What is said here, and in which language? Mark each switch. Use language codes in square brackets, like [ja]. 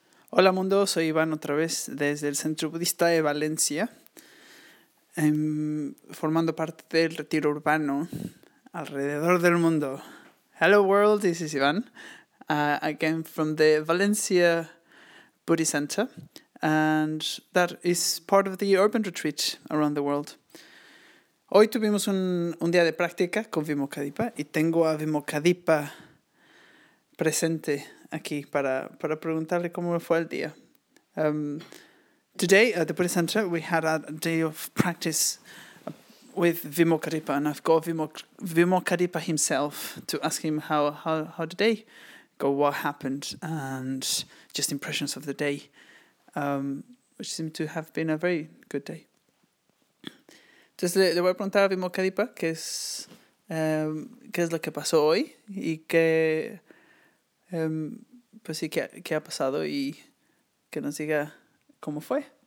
[es] Hola mundo, soy Iván otra vez desde el Centro Budista de Valencia, formando parte del retiro urbano alrededor del mundo. [en] Hello world, this is Iván. Again from the Valencia Buddhist Center, and that is part of the urban retreat around the world. [es] Hoy tuvimos un día de práctica con Vimokadipa y tengo a Vimokadipa presente aquí para preguntarle cómo fue el día. [en] Today at the Buddhist Center we had a day of practice with Vimokadipa, and I've got Vimokadipa himself to ask him how the day go, what happened, and just impressions of the day, which seemed to have been a very good day. [es] Entonces le voy a preguntar a Vimokadipa qué es lo que pasó hoy y qué pues sí, qué ha pasado y que nos diga cómo fue.